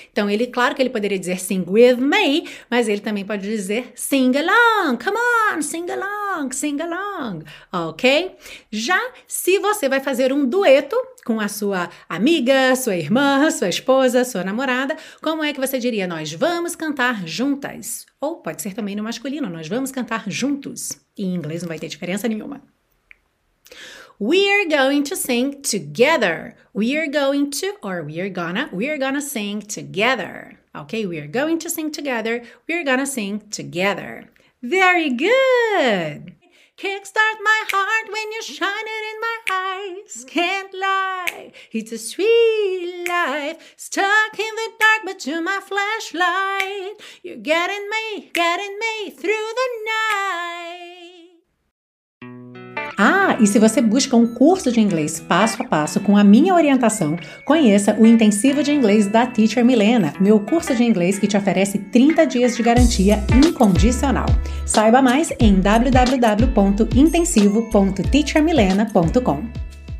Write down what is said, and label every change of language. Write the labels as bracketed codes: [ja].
[pt] Então, ele, claro que ele poderia dizer [en] sing with me, [pt] mas ele também pode dizer [en] sing along, come on, sing along, [pt] ok? Já se você vai fazer um dueto com a sua amiga, sua irmã, sua esposa, sua namorada, como é que você diria? Nós vamos cantar juntas. Ou pode ser também no masculino, nós vamos cantar juntos. Em inglês não vai ter diferença nenhuma. [en] We're going to sing together. We're going to, or we're gonna sing together. Ok? We're going to sing together. We're gonna sing together. Very good! Kickstart my heart when you shine it in my eyes. Can't lie, it's a sweet life. Stuck in the dark, but to my flashlight, you're getting me through the night. [pt] Ah, e se você busca um curso de inglês passo a passo com a minha orientação, conheça o Intensivo de Inglês da Teacher Milena, meu curso de inglês que te oferece 30 dias de garantia incondicional. Saiba mais em www.intensivo.teachermilena.com.